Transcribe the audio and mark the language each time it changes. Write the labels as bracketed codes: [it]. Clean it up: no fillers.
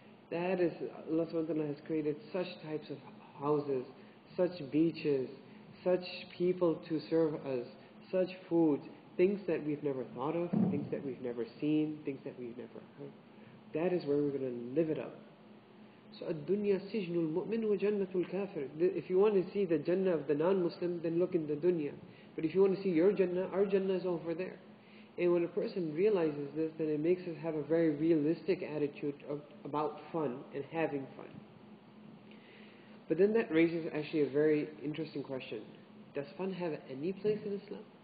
[en] That is, Allah subhanahu wa ta'ala has created such types of houses, such beaches, such people to serve us, such food, things that we've never thought of, things that we've never seen, things that we've never heard. That is where we're going to live it up. [ar] So الدنيا سجن المؤمن وجنة الكافر. [en] If you want to see the Jannah of the non-Muslim, then look in the dunya. But if you want to see your Jannah, our Jannah is over there. And when a person realizes this, then it makes us have a very realistic attitude about fun and having fun. But then that raises actually a very interesting question. Does fun have any place in Islam?